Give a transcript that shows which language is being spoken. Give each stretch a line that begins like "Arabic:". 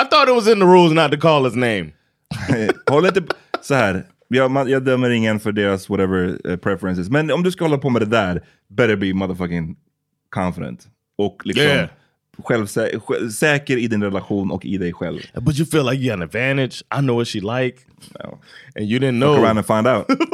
English: I thought it was in the rules not to call his name. Hold it
Swedish: så här. Jag dömer ingen för deras
English: whatever preferences.
Swedish: Men om du ska hålla på med det där,
English: better be motherfucking confident.
Swedish: Och liksom säker i din relation och i dig själv.
English: But you feel like you got an advantage. I know what she like. No. And you didn't know. Fuck around and find out.